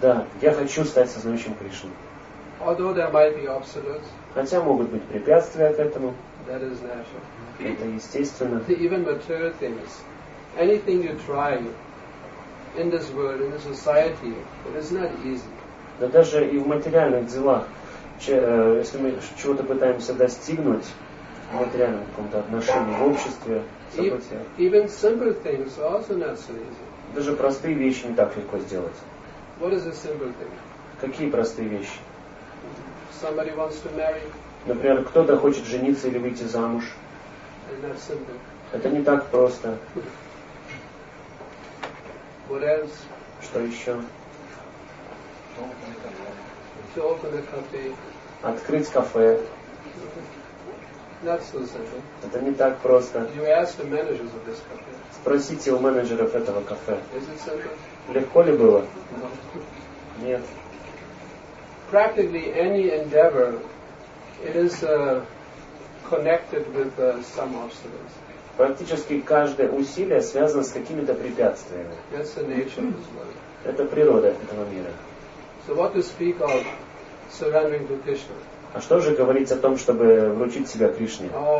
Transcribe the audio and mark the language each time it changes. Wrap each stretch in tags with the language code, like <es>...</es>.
<ru>Да, я хочу стать сознающим Кришной.</ru> <en>Although there might be obstacles.</en> <ru>Хотя могут быть препятствия к этому.</ru> <en>That is natural.</en> <ru>Это естественно.</ru> <en>Even material things, anything you try in this world, in this society, it is not easy.</en> <ru>Да даже и в материальных делах, если мы чего-то пытаемся достигнуть. Вот реально в каком-то отношении в обществе, в событиях. Даже простые вещи не так легко сделать.</ru> <en>What is a simple thing?</en> <ru>Какие простые вещи?</ru> <en>Somebody wants to marry.</en> <ru>Например, кто-то хочет жениться или выйти замуж. Это не так просто.</ru> <en>What else?</en> <ru>Что еще?</ru> <en>To open a cafe.</en> <ru>Открыть кафе.</ru> <en>That's so</en> <ru>это не так просто.</ru> <en>You ask the managers of this cafe.</en> <ru>Спросите у менеджеров этого кафе.</ru> <en>Is it simple?</en> <ru>Легко ли было?</ru> <en>No.</en> <ru>Нет.</ru> <en>Practically any endeavor, it is connected with some obstacles.</en> <ru>Практически каждое усилие связано с какими-то препятствиями.</ru> <en>That's the nature of this world.</en> <ru>Это природа этого мира.</ru> <en>So what to speak of surrendering to Krishna?</en> <ru>А что же говорить о том, чтобы вручить себя Кришне?</ru>